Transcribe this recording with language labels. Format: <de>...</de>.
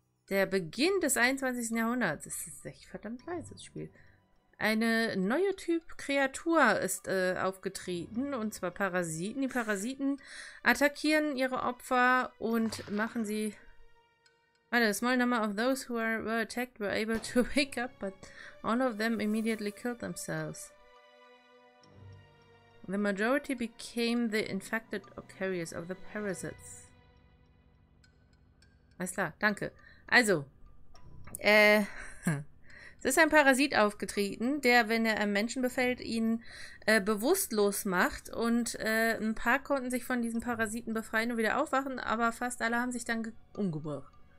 <de>Der Beginn des 21. Jahrhunderts. Das ist echt verdammt leise, das Spiel. Eine neue Typ-Kreatur ist aufgetreten. Und zwar Parasiten. Die Parasiten attackieren ihre Opfer und machen sie... Warte,</de> <en>a small number of those who were attacked were able to wake up, but all of them immediately killed themselves. The majority became the infected or carriers of the parasites.</en> <de>Alles klar, danke. Also, es ist ein Parasit aufgetreten, der, wenn er einem Menschen befällt, ihn bewusstlos macht. Und ein paar konnten sich von diesen Parasiten befreien und wieder aufwachen, aber fast alle haben sich dann umgebracht.</de>